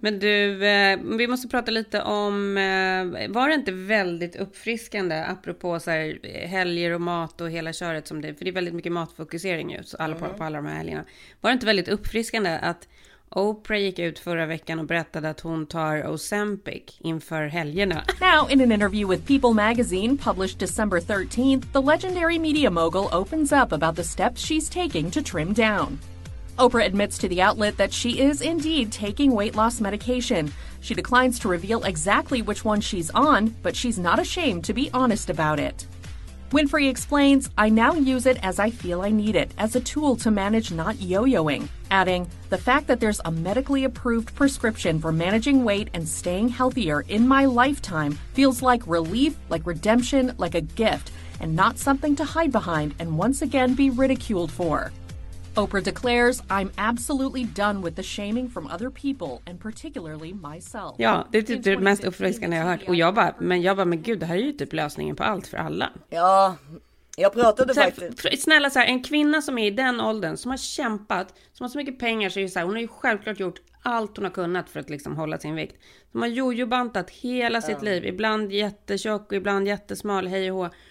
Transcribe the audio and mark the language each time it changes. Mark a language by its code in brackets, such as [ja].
[sv] Men du, vi måste prata lite om, var det inte väldigt uppfriskande apropå så här, helger och mat och hela köret som det, för det är väldigt mycket matfokusering ju på alla de här helgerna. Var det inte väldigt uppfriskande att Oprah gick ut förra veckan och berättade att hon tar Ozempic inför helgerna? [en] Now, in an interview with People magazine published December 13th, the legendary media mogul opens up about the steps she's taking to trim down. Oprah admits to the outlet that she is indeed taking weight loss medication. She declines to reveal exactly which one she's on, but she's not ashamed to be honest about it. Winfrey explains, I now use it as I feel I need it, as a tool to manage not yo-yoing, adding, the fact that there's a medically approved prescription for managing weight and staying healthier in my lifetime feels like relief, like redemption, like a gift, and not something to hide behind and once again be ridiculed for. Oprah declares, I'm absolutely done with the shaming from other people and particularly myself. [sv] Ja, det är typ det mest uppfriskande jag har hört. Och jag bara, men gud, det här är ju typ lösningen på allt för alla. Ja, jag pratade så här, faktiskt. Snälla, så här, en kvinna som är i den åldern, som har kämpat, som har så mycket pengar, så är ju så här, hon har ju självklart gjort allt hon har kunnat för att liksom hålla sin vikt. Som har jojobantat hela sitt liv, ibland jättetjock och ibland jättesmal, hej och hå.